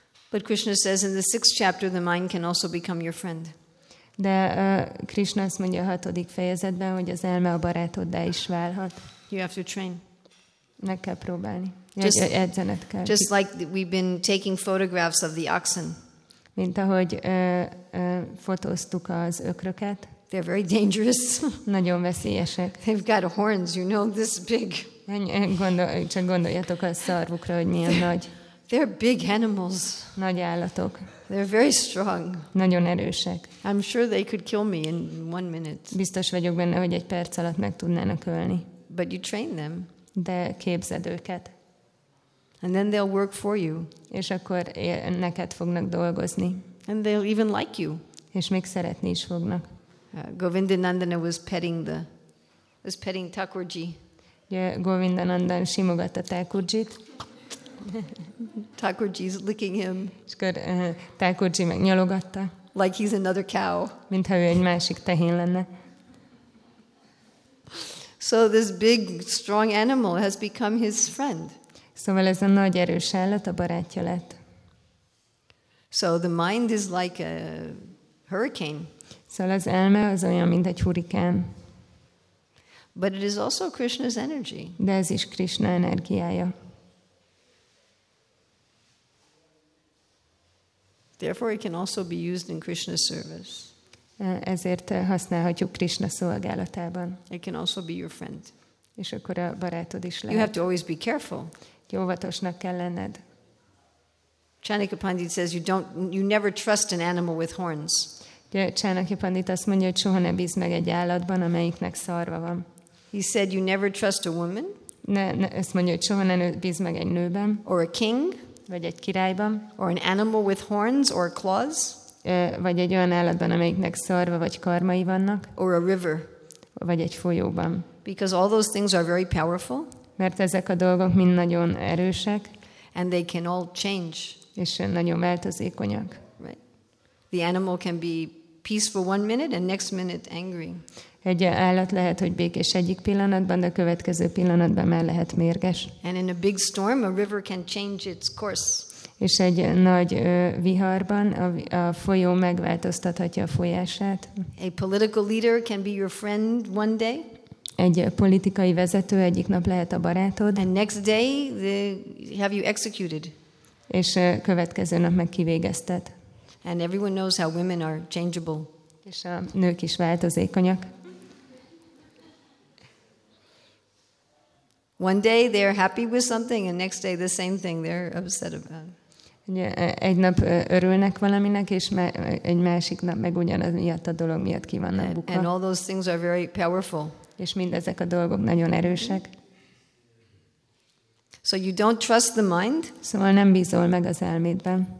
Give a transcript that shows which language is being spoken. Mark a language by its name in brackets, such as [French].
[English] But Krishna says in the 6th chapter the mind can also become your friend. [Hungarian] De Krishna azt mondja a 6. fejezetben, hogy az elme a barátoddá is válhat. [English] You have to train. [Hungarian] Meg kell próbálni. Just, edzened kell. [English] Just like we've been taking photographs of the oxen. [Hungarian] Mint ahogy fotóztuk az ökröket. [English] They're very dangerous. [Hungarian] Nagyon veszélyesek. [English] They've got horns, you know, this big. [Hungarian] Csak gondoljatok a szarvukra, hogy milyen nagy. [English] They're big animals. [Hungarian] Nagy állatok. [English] They're very strong. [Hungarian] Nagyon erősek. [English] I'm sure they could kill me in 1 minute. [Hungarian] Biztos vagyok benne, hogy egy perc alatt meg tudnának ölni. [English] But you train them. [Hungarian] De képzed őket. [English] And then they'll work for you. [Hungarian] És akkor neked fognak dolgozni. [English] And they'll even like you. [Hungarian] És még szeretni is fognak. [English] Govindanandana was petting Thakurji. [Hungarian] Yeah, Govindanandan simogatta Thakurjit. [English] Thakurji's licking him. [Hungarian] És akkor Thakurji megnyalogatta. [English] Like he's another cow. [Hungarian] Mintha ő egy másik tehén lenne. [English] So this big, strong animal has become his friend. [Hungarian] Szóval ez a nagy erős állat a barátja lett. [English] So the mind is like a hurricane. [Hungarian] Szóval az elme az olyan, mint egy hurikán. [English] But it is also Krishna's energy. [Hungarian] De ez is Krishna energiája. [English] Therefore, it can also be used in Krishna's service. [Hungarian] Ezért használhatjuk Krishna szolgálatában. [English] It can also be your friend. [Hungarian] És akkor a barátod is lehet. [English] You have to always be careful. [Hungarian] Óvatosnak kell lenned. [English] Chanika Pandit says you never trust an animal with horns. [Hungarian] Csánaki Pandit azt mondja, hogy soha ne bízz meg egy állatban, amelyiknek szarva van. [English] He said you never trust a woman. [Hungarian] Ne, ezt mondja, hogy soha ne bízz meg egy nőben. [English] Or a king. [Hungarian] Vagy egy királyban. [English] Or an animal with horns or claws. [Hungarian] Vagy egy olyan állatban, amelyiknek szarva vagy karmai vannak. [English] Or a river. [Hungarian] Vagy egy folyóban. [English] Because all those things are very powerful. [Hungarian] Mert ezek a dolgok mind nagyon erősek. [English] And they can all change. [Hungarian] És nagyon változékonyak. [English] Right. The animal can be peaceful one minute and next minute angry. [Hungarian] Egy állat lehet, hogy békés egyik pillanatban, de a következő pillanatban már lehet mérges. [English] And in a big storm, a river can change its course. [Hungarian] És egy nagy viharban a folyó megváltoztathatja a folyását. [English] A political leader can be your friend one day. [Hungarian] Egy politikai vezető egyik nap lehet a barátod. [English] And next day have you executed. [Hungarian] És következő nap meg kivégezted. [English] And everyone knows how women are changeable. [Hungarian] És a nők is változékonyak. [English] One day they're happy with something and next day the same thing they're upset about. [Hungarian] Egy nap örülnek valaminek, és egy másik nap meg ugyanaz miatt a dolog miatt ki vannak bukva. [English] And all those things are very powerful. [Hungarian] És mindezek a dolgok nagyon erősek. [English] So you don't trust the mind. [Hungarian] Szóval nem bízol meg az elmédben.